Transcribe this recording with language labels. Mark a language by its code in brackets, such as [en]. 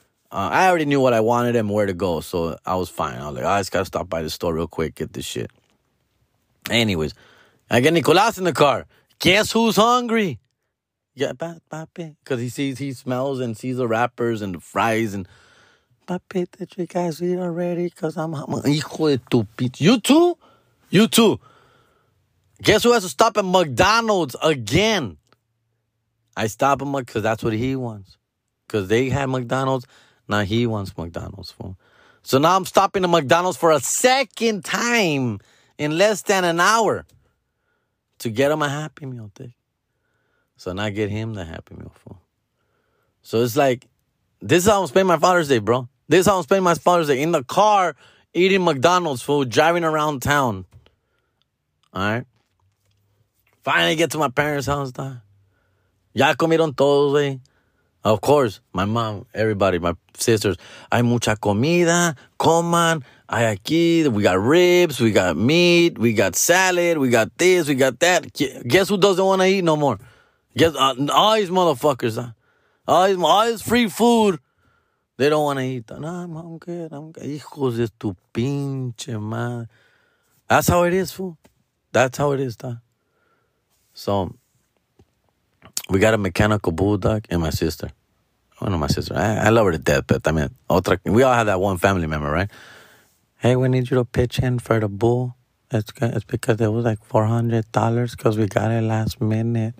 [en] I already knew what I wanted and where to go, so I was fine. I was like, oh, I just got to stop by the store real quick, get this shit. Anyways, I get Nicolas in the car. Guess who's hungry? Yeah, papi. Because he smells and sees the wrappers and the fries and... Papi, did you guys eat already? Because I'm [es] hijo de tu pizza. [en] You too? You too. Guess who has to stop at McDonald's again? I stop him because that's what he wants. Because they had McDonald's. Now he wants McDonald's. So now I'm stopping at McDonald's for a second time in less than an hour to get him a Happy Meal. So now I get him the Happy Meal. So it's like, this is how I'm spending my Father's Day, bro. This is how I'm spending my Father's Day. In the car, eating McDonald's, fool, driving around town. All right? Finally get to my parents' house, dog. [es] Ya comieron todos, güey. [en] Of course, my mom, everybody, my sisters. [es] Hay mucha comida, coman, hay aquí, [en] we got ribs, we got meat, we got salad, we got this, we got that. Guess who doesn't want to eat no more? Guess all these motherfuckers, all this free food, they don't want to eat. No, I'm good, I'm good. [es] Hijos de tu pinche madre. [en] That's how it is, fool. That's how it is, da. So, we got a mechanical bulldog and my sister. Oh, no, my sister. I love her to death, but I mean, otra, we all have that one family member, right? Hey, we need you to pitch in for the bull. It's because it was like $400 because we got it last minute.